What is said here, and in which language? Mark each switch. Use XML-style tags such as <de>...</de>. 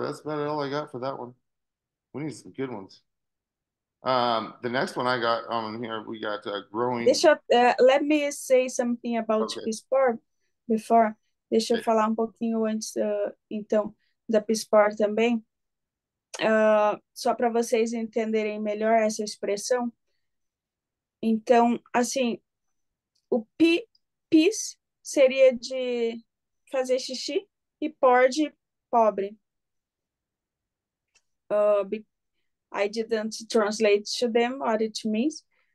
<en>That's about all I got for that one. We need some good ones. The next one I got on here, we got growing. Let me say something about Okay. peace corps before.</en> <pt>Deixa eu falar um pouquinho antes, então, da peace corps também. Só para vocês entenderem melhor essa expressão. Então, assim, o peace seria de fazer xixi e por de pobre.</pt> <en>I didn't translate to them what it means.</en>